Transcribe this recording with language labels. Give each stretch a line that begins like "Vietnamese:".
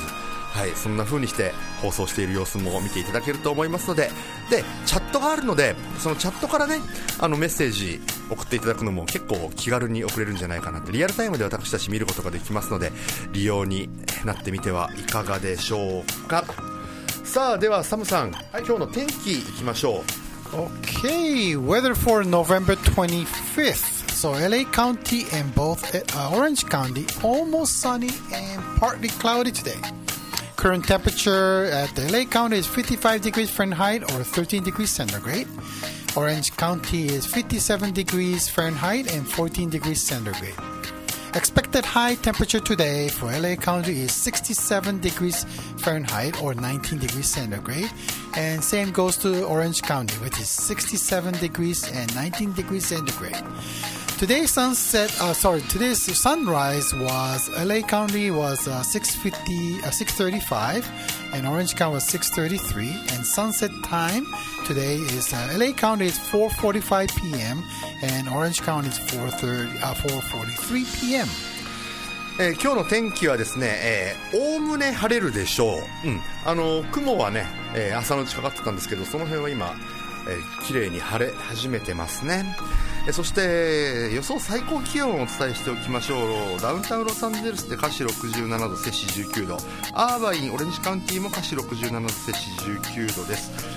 Japanese: はい、そんな風にして放送している様子も見ていただけると思いますので、で、チャットがあるので、そのチャットからね、あのメッセージ送っていただくのも結構気軽に送れるんじゃないかなって、リアルタイムで私たち見ることができますので、利用になってみてはいかがでしょうか。さあ、ではサムさん、はい、今日の天気いきましょう。
English: OK, weather for November 25th. So LA County and both Orange County almost sunny and partly cloudy today. Current temperature at the LA County is 55 degrees Fahrenheit or 13 degrees centigrade. Orange County is 57 degrees Fahrenheit and 14 degrees centigrade. Expected high temperature today for LA County is 67 degrees Fahrenheit or 19 degrees centigrade. And same goes to Orange County, which is 67 degrees and 19 degrees centigrade. Today's sunrise was, LA County was 6:35, and Orange County was 6:33, and sunset time today is, LA County is 4:45 p.m., and Orange County is 4:43 p.m.
Japanese: 今日の天気はですね、おおむね晴れるでしょう、うん、雲はね、朝のうちかかってたんですけど、その辺は今、綺麗に晴れ始めてますね。そして予想最高気温をお伝えしておきましょう。ダウンタウンロサンゼルスで華氏67度、摂氏19度、アーバインオレンジカウンティーも華氏67度、摂氏19度です。